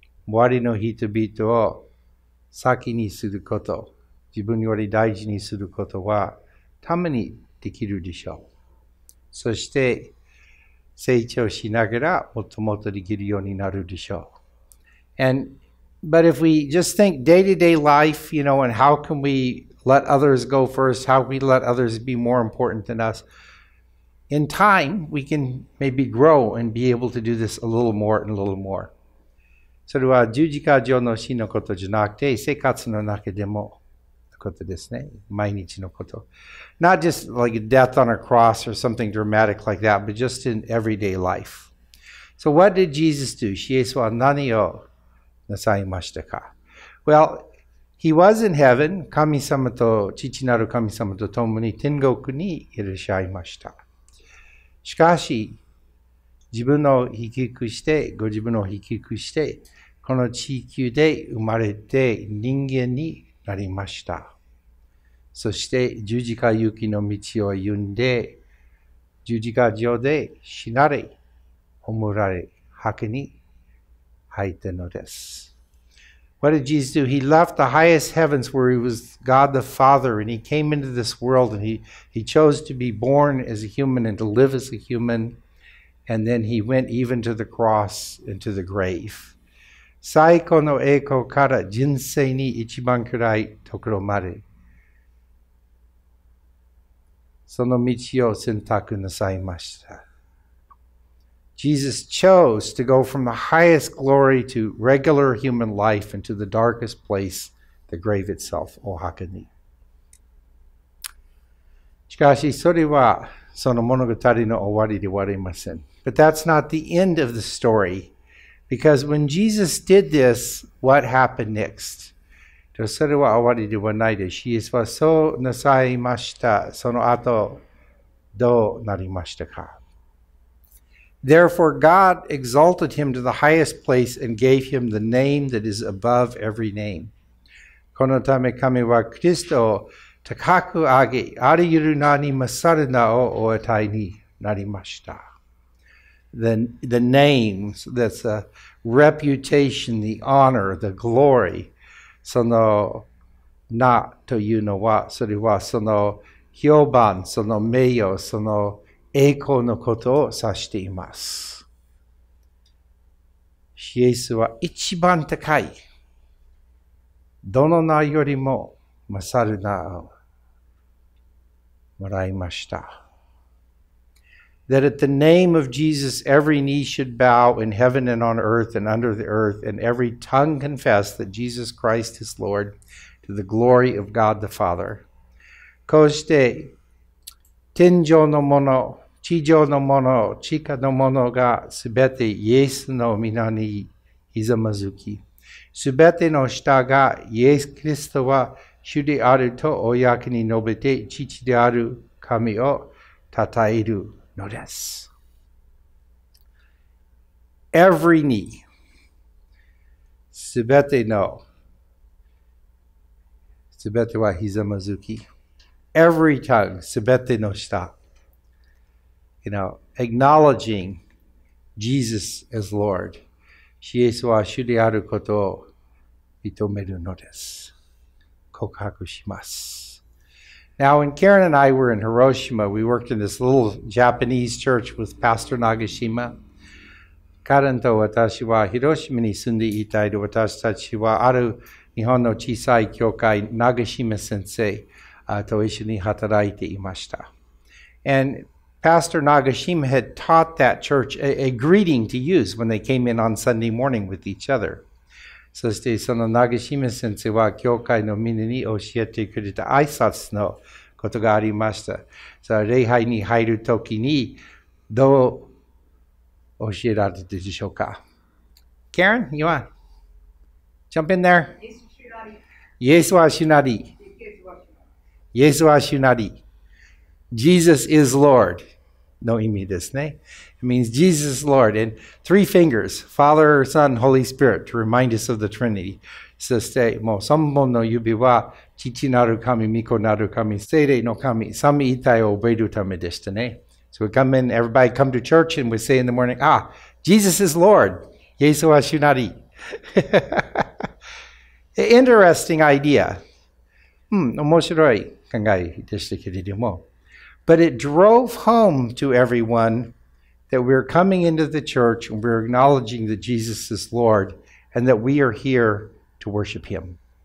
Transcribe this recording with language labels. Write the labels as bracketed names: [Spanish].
[Japanese] 周りの人々を先にすること、自分より大事にすることはためにできるでしょう。そして成長しながらもっともっとできるようになるでしょう。 [English] But if we just think day-to-day life, you know, and how can we let others go first, how can we let others be more important than us, in time, we can maybe grow and be able to do this a little more and a little more. [Japanese] それは十字架上の死のことじゃなくて、生活の中でものことですね。毎日のこと。 [English] Not just like a death on a cross or something dramatic like that, but just in everyday life. So what did Jesus do? [Japanese] イエスは何をなさいましたか? [English] Well, he was in heaven, [Japanese] 神様と、父なる神様と共に天国にいらっしゃいました。しかし、自分を低くして、ご自分を低くして、この地球で生まれて人間になりました。そして十字架行きの道を歩んで、十字架上で死なれ、葬られ、墓に入ったのです。 [English] What did Jesus do? He left the highest heavens where he was God the Father and he came into this world and he chose to be born as a human and to live as a human and then he went even to the cross and to the grave. [Japanese] 最高の栄光から人生に一番暗いところまで。その道を選択なさいました。 [English] Jesus chose to go from the highest glory to regular human life and to the darkest place, the grave itself, [Japanese] お墓に。しかし、それはその物語の終わりではありません。 [English] But that's not the end of the story, because when Jesus did this, what happened next? [Japanese] それは終わりではないです。イエスはそうなさいました。その後、どうなりましたか? [English] Therefore, God exalted him to the highest place and gave him the name that is above every name. [Japanese] このため神はキリストを高く上げ、ありゆる名に勝る名をお与えになりました。 [English] The name, so that's a reputation, the honor, the glory. [Japanese] その名というのは、それはその評判、その名誉、その栄光のことを指しています。イエスは一番高い。どの名よりも勝る名をもらいました。 [English] That at the name of Jesus every knee should bow in heaven and on earth and under the earth and every tongue confess that Jesus Christ is Lord to the glory of God the Father. [Japanese] こうして天上のもの地上のもの、地下のものがすべてイエスの皆にひざまずき。すべての下がイエス・キリストは主であると公に述べて、父である神を讃えるのです。 [English] Every knee、 [Japanese] すべての、すべてはひざまずき。 [English] Every tongue、 [Japanese] すべての下。 [English] You know, acknowledging Jesus as Lord. [Japanese] イエスは主であることを認めるのです。告白します。 [English] Now, when Karen and I were in Hiroshima, we worked in this little Japanese church with Pastor Nagashima. [Japanese] Karen と私は Hiroshima に住んでいたいで、私たちはある日本の小さい教会、Nagashima 先生と一緒に働いていました。 [English] Pastor Nagashima had taught that church a greeting to use when they came in on Sunday morning with each other. [Japanese] そしてその Nagashima 先生は教会のみんなに教えてくれた挨拶のことがありました。さあ礼拝に入るときにどう教えられたでしょうか? [English] Karen, you want? Jump in there. [Japanese] イエスは主なり。イエスは主なり。 [English] Jesus is Lord. No [Japanese] 意味ですね。 [English] It means Jesus is Lord. And three fingers, Father, Son, Holy Spirit, to remind us of the Trinity. [Japanese] そして、もう3本の指は、父なる神、御子なる神、聖霊の神、三位一体を覚えるためでしたね。 [English] So we come in, everybody come to church and we say in the morning, Jesus is Lord. [Japanese] イエスは主なり。 [English] Interesting idea. [Japanese] 面白い考えでしたけれども。 [English] But it drove home to everyone that we're coming into the church and we're acknowledging that Jesus is Lord and that we are here to worship Him.